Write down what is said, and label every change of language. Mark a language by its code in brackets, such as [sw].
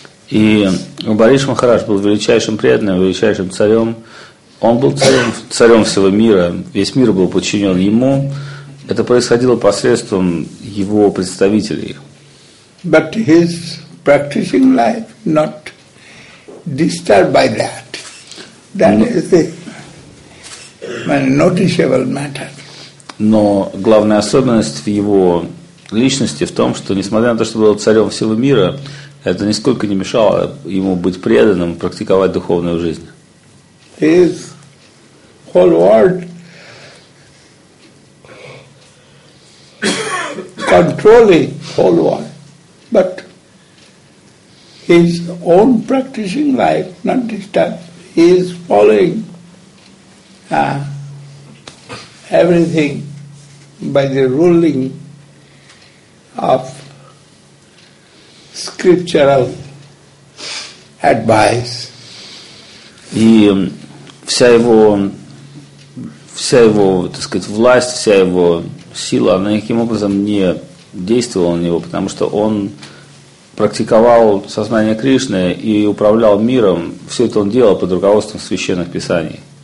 [ru] И Амбариш Махарадж был величайшим преданным, величайшим царем. Он был царем всего мира. Весь мир был подчинен ему. Это происходило посредством его представителей. [en] But his practicing life not disturbed by that. That is a noticeable matter. [ru] Но главная особенность в его личности в том, что несмотря на то, что был царем всего мира, это нисколько не мешало ему быть преданным, практиковать духовную жизнь. [en] His whole world controlling whole world, but his own practicing life, not this time, he is following everything by the ruling of scriptural advice. [ru] И вся его, так сказать, власть, вся его сила, она никаким образом не действовала на него, потому что он практиковал сознание Кришны и управлял миром. Все это он делал под руководством священных писаний.